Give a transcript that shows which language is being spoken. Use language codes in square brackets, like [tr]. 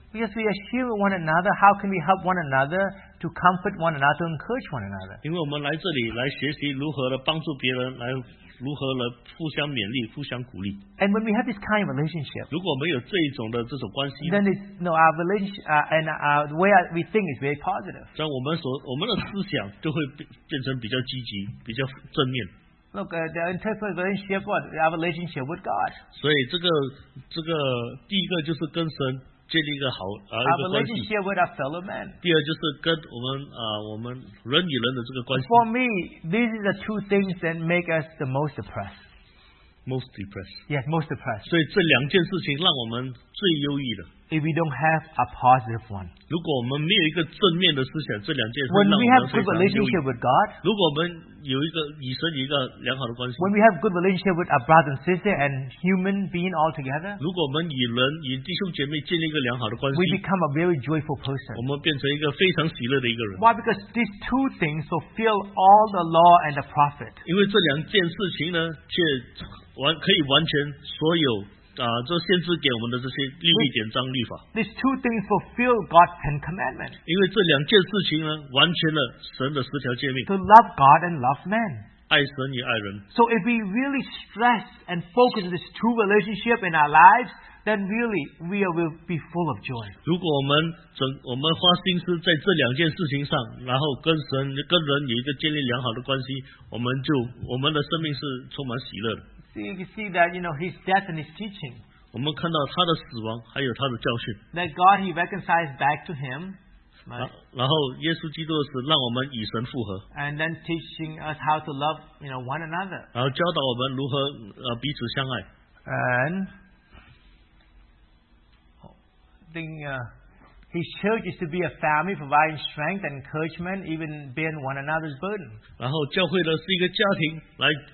[en] Because we are here with one another, how can we help one another to comfort one another, to encourage one another? [zh] 因为我们来这里来学习如何的帮助别人,来...如何来互相勉励，互相鼓励。 [en] And when we have this kind of relationship, [zh] 如果我们有这种关系, [en] then it's, no, our relationship and our, the way we think is very positive. [zh] 我们的思想就会变成比较积极，比较正面。 [en] Look, the interpersonal relationship, what? Our relationship with God. [zh] 所以这个第一个就是跟神建立一个好, [en] our relationship with our fellow man. [zh] 第二就是跟我们, 我们人与人的这个关系。 [en] For me, these are the two things that make us the most depressed. Most depressed. Yes, most depressed. [zh] 所以这两件事情让我们最忧郁的。 [en] If we don't have a positive one. [zh] 如果我们没有一个正面的思想, 这两件事让我们非常忧郁。 [en] When we have a good relationship with God. [zh] 如果我们有一个与神有一个良好的关系, [en] when we have a good relationship with our brother and sister and human being altogether, [zh] 如果我们与人与弟兄姐妹建立一个良好的关系, [en] we become a very joyful person. [zh] 我们变成一个非常喜乐的一个人。 [en] Why? Because these two things fulfill all the law and the prophet. [zh] 因为这两件事情呢, 却可以完全所有, 这限制给我们的这些律例典章律法。 [en] These two things fulfill God's Ten Commandments. [zh] 因为这两件事情呢, 完全了神的十条诫命。 [en] To love God and love man. [zh] 爱神与爱人。 [en] So if we really stress and focus this true relationship in our lives, then really we will be full of joy. [zh] 如果我们花心思在这两件事情上, 然后跟神, 跟人有一个建立良好的关系, 我们就, 我们的生命是充满喜乐的。 [en] You see that, you know, his death and his teaching. [zh] 我们看到他的死亡还有他的教训。 [en] That God he reconciled back to him. Right? [zh] 然后耶稣基督是让我们与神复合。 [en] And then teaching us how to love, you know, one another. [zh] 然后教导我们如何, 彼此相爱。 [en] And then his church is to be a family providing strength and encouragement, even bearing one another's burden. [zh] 然后教会呢是一个家庭来。